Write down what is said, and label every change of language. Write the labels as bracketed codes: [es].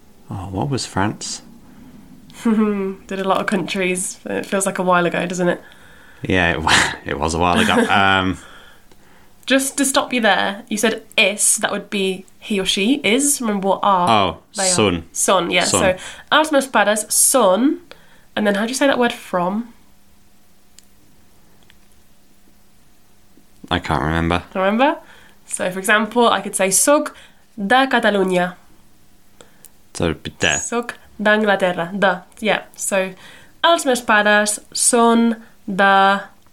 [en] Oh, what was France? Did a lot of countries. It feels like a while ago, doesn't it? Yeah, it was a while ago. Just to stop you there, you said is, that would be he or she, is. Remember what are. [ca] Oh, son. [en] Son, yeah. [ca] Son. So els meus pares, son. [en] And then how do you say that word from? I can't remember. Remember? So, for example, I could say [ca] soc de Catalunya. [en] So, de. [ca] Soc d'Anglaterra. De. Yeah. So, els meus pares son de...